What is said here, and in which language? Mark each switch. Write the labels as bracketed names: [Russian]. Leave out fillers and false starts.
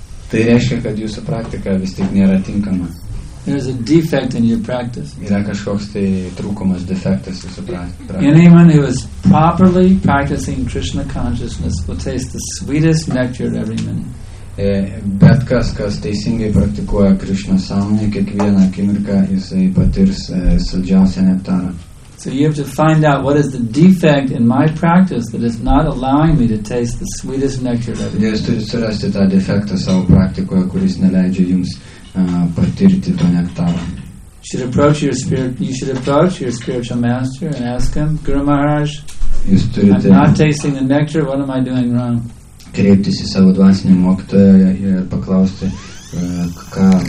[Lithuanian] Tai reiškia, kad jūsų praktika vis tik nėra tinkama. [English] There's a defect in your practice. [Lithuanian] Yra kažkoks tai trūkumas, defektas jūsų praktikoje. [English] Anyone who is properly practicing Krishna consciousness will taste the sweetest nectar every minute. [Lithuanian] Bet kas teisingai praktikuoja Krishna sąmonę, kiekvieną akimirką jisai patirs saldžiausią nektarą. [English] So you have to find out what is the defect in my practice that is not allowing me to taste the sweetest nectar that [Lithuanian] jūs turite surasti tą defektą savo praktikoje, kuris neleidžia jums patirti to nektarą. [English] You should approach your spiritual master and ask him, Guru Maharaj, I'm not tasting the nectar, what am I doing wrong? [Lithuanian] Kreiptis į savo dvasinį mokytoją ir paklausti, ką